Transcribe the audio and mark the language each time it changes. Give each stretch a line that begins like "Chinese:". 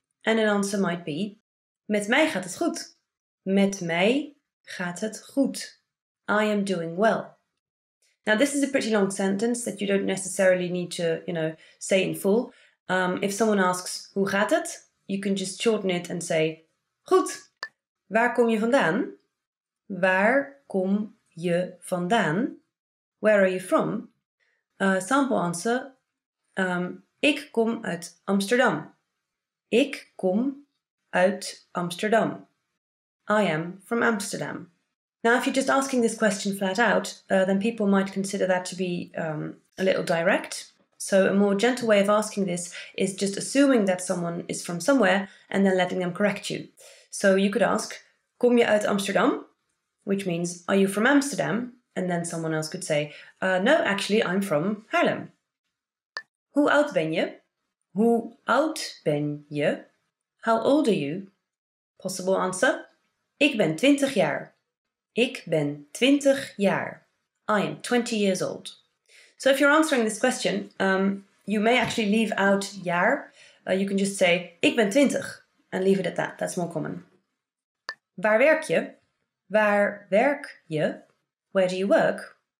English: And an answer might be
Dutch: Met mij gaat het goed. Met mij gaat het goed.
English: I am doing well. Now this is a pretty long sentence that you don't necessarily need to, you know, say in full. If someone asks,
Dutch: hoe gaat het?
English: You can just shorten it and say, goed.
Dutch: Waar kom je vandaan? Waar kom je vandaan?
English: Where are you from? Sample answer,
Dutch: ik kom uit Amsterdam. Ik kom uit Amsterdam.
English: I am from Amsterdam. Now, if you're just asking this question flat out, then people might consider that to be a little direct. So a more gentle way of asking this is just assuming that someone is from somewhere and then letting them correct you. So you could ask,
Dutch: kom je uit Amsterdam?
English: Which means, are you from Amsterdam? And then someone else could say, no, actually, I'm from Haarlem.
Dutch: Hoe oud ben je? Hoe oud ben je?
English: How old are you? Possible answer,
Dutch: ik ben 20 jaar. Ik ben 20 jaar.
English: I am 20 years old. So if you're answering this question, you may actually leave out jaar. You can just say,
Dutch: ik ben 20,
English: and leave it at that. That's more common.
Dutch: Waar werk je? Waar werk je?
English: Where do you work?